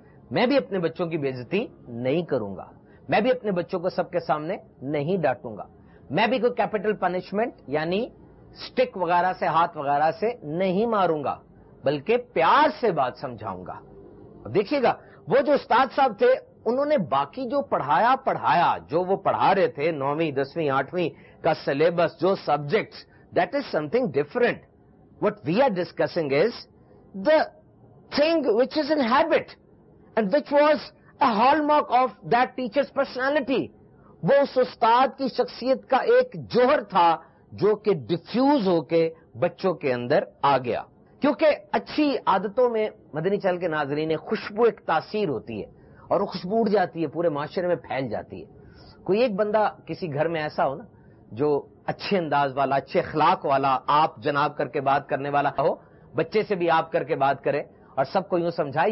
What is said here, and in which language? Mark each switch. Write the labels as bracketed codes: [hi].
[ur] میں بھی اپنے بچوں کی بے عزتی نہیں کروں گا، میں بھی اپنے بچوں کو سب کے سامنے نہیں ڈانٹوں گا، میں بھی کوئی کیپیٹل پنشمنٹ یعنی سٹک وغیرہ سے، ہاتھ وغیرہ سے نہیں ماروں گا، بلکہ پیار سے بات سمجھاؤں گا. دیکھیے گا وہ جو استاد صاحب تھے انہوں نے باقی جو پڑھایا پڑھایا، جو وہ پڑھا رہے تھے، نویں دسویں آٹھویں کا سلیبس، جو subjects, [en] That is something different. What we are discussing is the thing which is in habit and which was a hallmark of that teacher's personality. [ur] وہ اس استاد کی شخصیت کا ایک جوہر تھا جو کہ ڈیفیوز ہو کے بچوں کے اندر آ گیا. کیونکہ اچھی عادتوں میں مدنی چل کے ناظرین، خوشبو ایک تاثیر ہوتی ہے اور وہ خوشبو اڑ جاتی ہے، پورے معاشرے میں پھیل جاتی ہے. کوئی ایک بندہ کسی گھر میں ایسا ہو نا جو اچھے انداز والا، اچھے اخلاق والا، آپ جناب کر کے بات کرنے والا ہو، بچے سے بھی آپ کر کے بات کرے اور سب کو یوں سمجھائے.